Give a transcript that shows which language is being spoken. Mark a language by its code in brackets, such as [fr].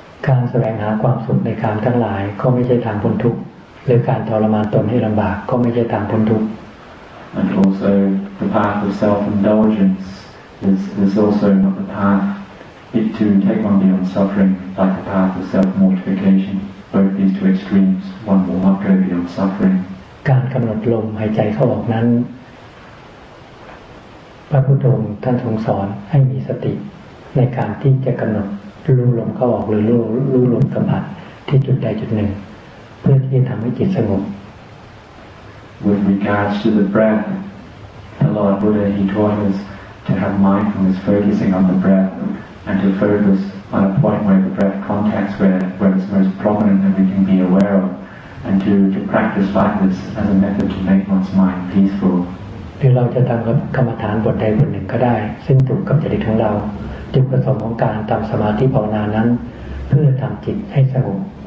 [th] การแสวงหาความสุขในกามทั้งหลายก็ไม่ใช่ทางพ้นทุกข์หรือการทรมานตนให้ลำบากก็ไม่ใช่ทางพ้นทุกข์ [en] And also the path of self-indulgence is also not the path if to take on the own suffering like the path of self-mortificationBoth these two extremes, one will not go beyond suffering. [th] การกำหนดลมหายใจเข้าออกนั้นพระพุทธองค์ท่านทรงสอนให้มีสติในการที่จะกำหนดรู้ลมเข้าออกหรือรู้ลมสัมผัสที่จุดใดจุดหนึ่งเพื่อที่จะทำให้จิตสงบ [en] With regards to the breath, the Lord Buddha he taught us to have mindfulness focusing on the breath and to focus. On a point where the breath contacts where it's most prominent that we can be aware of, and to practice like this as a method to make one's mind peaceful. [th] หรือเราจะทำกรรมฐานบทใดบทหนึ่งก็ได้ซึ่งถูกกับจริตของเราจุดประสงค์ของการทำสมาธิภาวนานั้นเพื่อทำจิตให้สงบ